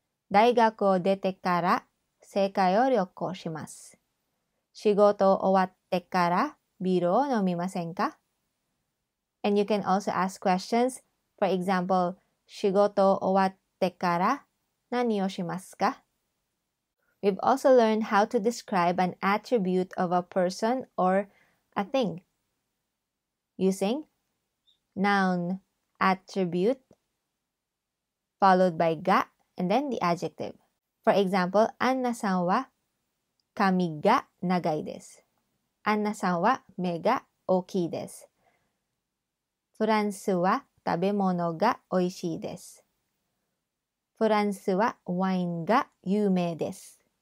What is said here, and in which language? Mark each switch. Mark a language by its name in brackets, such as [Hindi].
[Japanese] 大学を出てから世界を旅行します。仕事を終わってからビールを飲みませんか？ [English] And you can also ask questions. For example, [Japanese] 仕事を終わってから何をしますか？ [English] We've also learned how to describe an attribute of a person or a thing using noun attribute followed by が and then the adjective. For example, [Japanese] アンナさんは髪が長いです。アンナさんは目が大きいです。フランスは食べ物が美味しいです。フランスはワインが有名です。